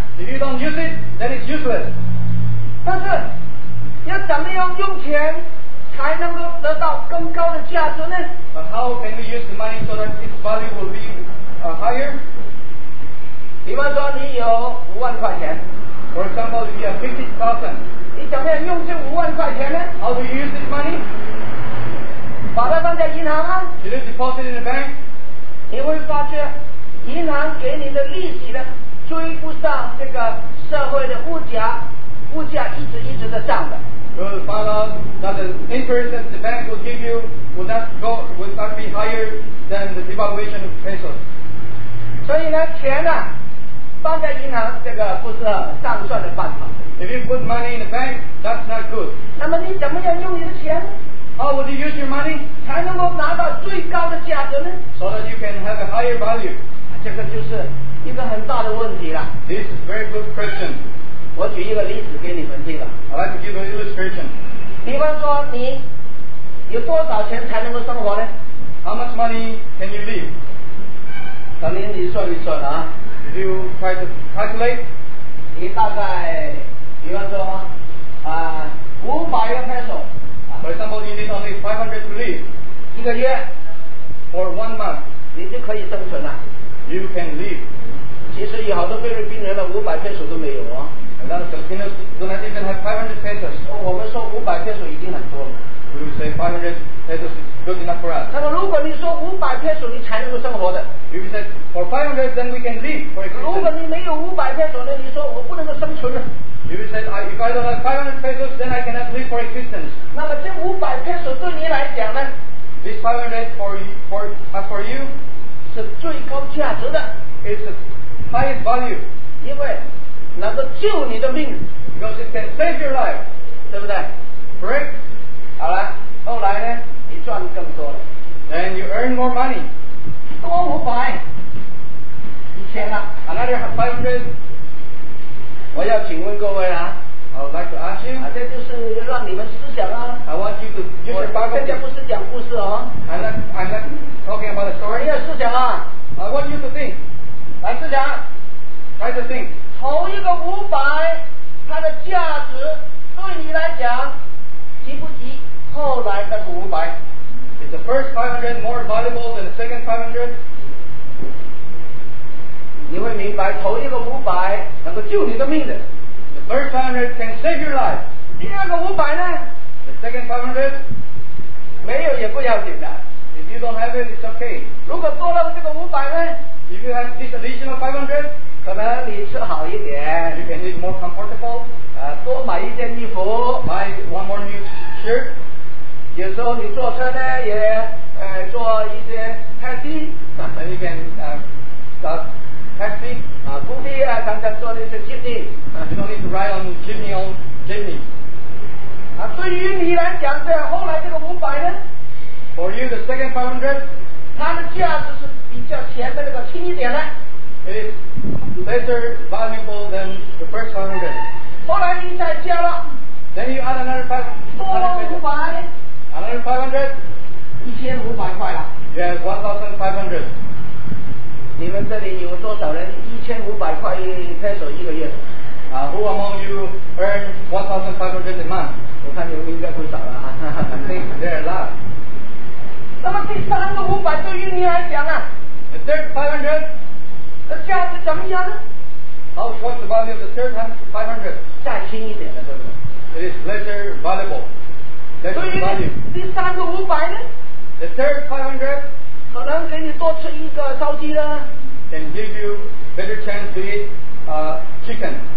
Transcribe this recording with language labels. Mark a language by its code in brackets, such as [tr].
[en] if you don't use it, then it's useless. [zh] 但是, 要怎么样用钱, 才能够得到更高的价值呢? [en] But how can we use the money so that its value will be higher? [zh] 比方说你有5万块钱, [en] for example, if you have 50,000, [zh] 你怎么样用这5万块钱呢? [en] How do you use this money? [zh] 把它放在银行啊, [en] should you deposit in the bank? [zh] 你会发觉银行给你的利息呢追不上这个社会的物价, 物价一直一直的涨的, [en] you will find out that the interest that the bank will give you will not be higher than the devaluation of pesos. [zh] 所以呢, 钱啊, 放在银行这个不是上算的办法, [en] if you put money in the bank, that's not good. [zh] 那么你怎么样用你的钱? [en] How would you use your money? [zh] 才能够拿到最高的价值呢? [en] So that you can have a higher value. [zh] 这个就是一个很大的问题了, [en] this is a very good question. [zh] 我举一个例子给你们听啊, [en] I'd like to give an illustration. [zh] 比方说你有多少钱才能够生活呢? [en] How much money can you live? [zh] 等您你算一算啊, [en] if you try to calculate, [zh] 你大概比方说 500 peso, [en] for example, you need only 500 to live, [zh] 一个月, [en] for 1 month, [zh] 你就可以生存了, [en] you can live. [zh] 其实有好多菲律宾人的500 peso都没有啊, [en] a lot of Filipinos do not even have 500 pesos. [zh] Oh, 我们说500 peso已经很多了, [en] we would say 500 pesos is good enough for us. [zh] 那么如果你说 500 pesos, 你才能够生活的。 [en] If you said for 500, then we can live for existence. [zh] 如果你没有 500 pesos, 你说我不能够生存了。 [en] If you said if I don't have 500 pesos, then I cannot live for existence. [zh] 那么这 500 pesos 对你来讲呢？ [en] This 500 for you [zh] 是最高价值的。 [en] It's the highest value. [zh] 因为能够救你的命。 [en] Because it can save your life. [zh] 对不对？ [en] Correct? [zh] 好了，后来呢？你赚更多了。 [en] Then you earn more money. [zh] 多500。1000了。 [en] Another 500. [zh] 我要请问各位啊。 [en] I would like to ask you. [zh] 这就是让你们思想啊。 [en] I want you to use your Bible. [zh] 现在不是讲故事哦。 [en] I'm not talking about a story. [zh] 你要思想啊。 [en] I want you to think. [zh] 来思想。 [en] Try to think. [zh] 头一个500, 它的价值, 对你来讲，及不及后来的500？ [en] Is the first 500 more valuable than the second 500? [zh] 你会明白，头一个500能够救你的命的。 [en] The first 500 can save your life. [zh] 第二个500呢？ [en] The second 500? [zh] 没有也不要紧的。 [en] If you don't have it, it's okay. [zh] 如果多了这个500呢？ [en] If you have this additional 500, [zh] 可能你吃好一点。 [en] You can eat more comfortable. [zh] 多买一件衣服。 [en] Buy one more new shirt. [zh] 有时候你坐车呢，也做一些 taxi. [en] And you can taxi. [zh] 不必常常坐那些 jeepney. [en] You don't need to ride on jeepney on jeepney. [zh] 对于你来讲，这后来这个500呢？ [en] For you, the second 500? [zh] 它的价值是比较前面那个轻一点的。 [en] It is lesser valuable than the first 500. [zh] 后来你再加了。 [en] Then you add another 500. [zh] 多500。 [en] Another 500? [zh] 1500块了。 [en] You have 1,500. [zh] 你们这里有多少人 1,500块一个月？ [en] Who among you earn 1,500 a month? [zh] 我看你们应该不少了。 [en] There are a lot. [zh] 那么第三个500对于你来讲啊？ [en] The third 500? [zh] 那价值怎么样呢？ [en] How is the value of the third 500? [zh] 再轻一点的，对不对？ [en] It is lesser valuable. Lesser value. [zh] 第三个500呢？ [en] The third 500? [zh] 可能给你多吃一个烧鸡呢？ [en] Can give you better chance to eat chicken.